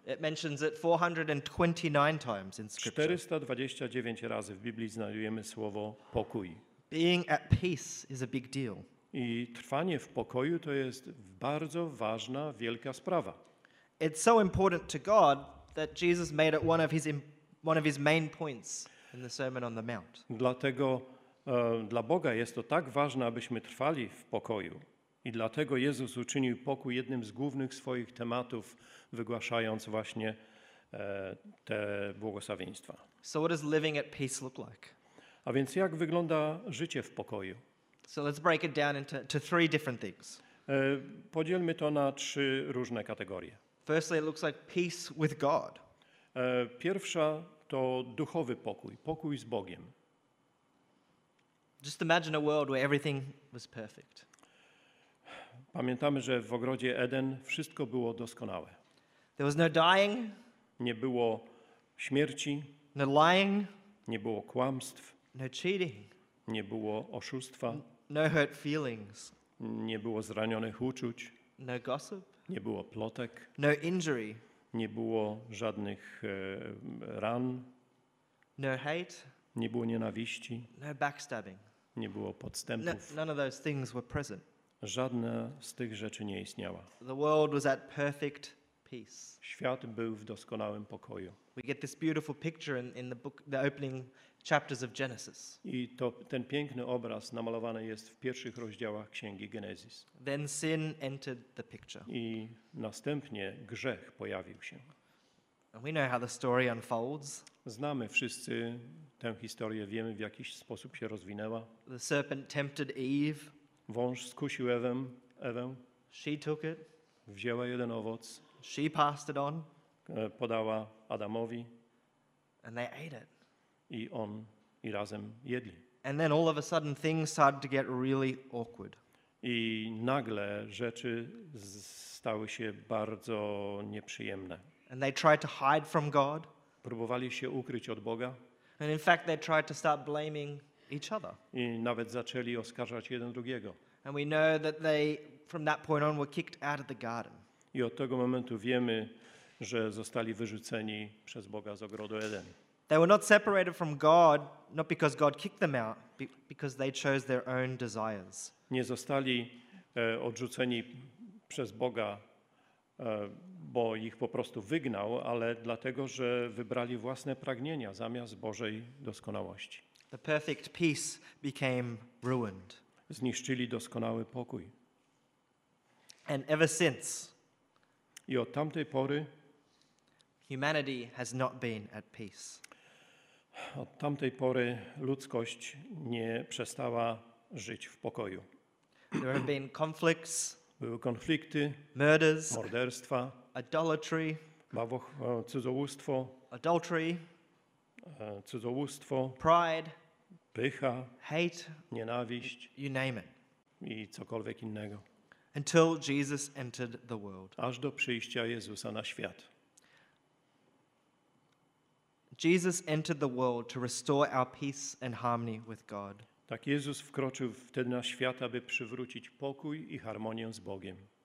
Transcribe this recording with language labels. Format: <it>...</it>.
<en>It mentions it 429 times in scripture.</en> <pl>429 razy w Biblii znajdujemy słowo pokój.</pl> <en>Being at peace is a big deal.</en> <pl>I trwanie w pokoju to jest bardzo ważna, wielka sprawa.</pl> <en>It's so important to God that Jesus made it one of his main points in the Sermon on the Mount.</en> <pl>Dlatego dla Boga jest to tak ważne, abyśmy trwali w pokoju. I dlatego Jezus uczynił pokój jednym z głównych swoich tematów, wygłaszając właśnie te błogosławieństwa.</pl> <en>So what does living at peace look like?</en> <pl>A więc jak wygląda życie w pokoju?</pl> <en>So let's break it down into three different things.</en> <pl>Podzielmy to na trzy różne kategorie.</pl> <en>Firstly, it looks like peace with God.</en> <pl>Pierwsza to duchowy pokój, pokój z Bogiem.</pl> <en>Just imagine a world where everything was perfect.</en> <pl>Pamiętamy, że w ogrodzie Eden wszystko było doskonałe.</pl> <en>There was no dying.</en> <pl>Nie było śmierci.</pl> <en>No lying.</en> <pl>Nie było kłamstw.</pl> <en>No cheating.</en> <pl>Nie było oszustwa.</pl> <en>No hurt feelings.</en> <pl>Nie było zranionych uczuć.</pl> <en>No gossip.</en> <pl>Nie było plotek.</pl> <en>No injury.</en> <pl>Nie było żadnych ran.</pl> <en>No hate.</en> <pl>Nie było nienawiści.</pl> <en>No backstabbing.</en> <pl>Nie było podstępów.</pl> <en>None of those things were present.</en> <pl>Żadna z tych rzeczy nie istniała.</pl> <en>The world was at perfect peace.</en> <pl>Świat był w doskonałym pokoju.</pl> <en>We get this beautiful picture in the book, the opening chapters of Genesis.</en> <pl>I to ten piękny obraz namalowany jest w pierwszych rozdziałach Księgi Genesis.</pl> <en>Then sin entered the picture.</en> <pl>I następnie grzech pojawił się.</pl> <en>And we know how the story unfolds.</en> <pl>Znamy wszyscy tę historię, wiemy, w jakiś sposób się rozwinęła.</pl> <en>The serpent tempted Eve.</en> <pl>Wąż skusił Ewę.</pl> <en>She took it.</en> <pl>Wzięła jeden owoc.</pl> <en>She passed it on.</en> <pl>Podała Adamowi.</pl> <en>And they ate it.</en> <pl>I on i razem jedli.</pl> <en>And then all of a sudden things started to get really awkward.</en> <pl>I nagle rzeczy stały się bardzo nieprzyjemne.</pl> <en>And they tried to hide from God.</en> <pl>Próbowali się ukryć od Boga.</pl> <en>And in fact they tried to start blaming each other.</en> <pl>I nawet zaczęli oskarżać jeden drugiego.</pl> <en>And we know that they from that point on were kicked out of the garden.</en> <pl>I od tego momentu wiemy, że zostali wyrzuceni przez Boga z ogrodu Eden.</pl> <en>They were not separated from God, not because God kicked them out, because they chose their own desires.</en> <pl>Nie zostali odrzuceni przez Boga, bo ich po prostu wygnał, ale dlatego, że wybrali własne pragnienia zamiast Bożej doskonałości.</pl> <en>The perfect peace became ruined.</en> <pl>Zniszczyli doskonały pokój.</pl> <en>And ever since,</en> <pl>i od tamtej pory</pl> <en>humanity has not been at peace.</en> <pl>Od tamtej pory ludzkość nie przestała żyć w pokoju.</pl> <en>There have been conflicts,</en> <pl>były konflikty,</pl> <en>murders,</en> <pl>morderstwa,</pl> <en>idolatry,</en> <pl>cudzołóstwo,</pl> <en>adultery,</en> <pl>cudzołóstwo,</pl> <en>pride,</en> <pl>pycha,</pl> <en>hate,</en> <pl>nienawiść,</pl> <en>you name it.</en> <pl>I cokolwiek innego.</pl> <en>Until Jesus entered the world.</en> <pl>Aż do przyjścia Jezusa na świat.</pl> <en>Jesus entered the world to restore our peace and harmony with God.</en> <pl>Tak Jezus wkroczył wtedy na świat, aby przywrócić pokój i harmonię z Bogiem.</pl>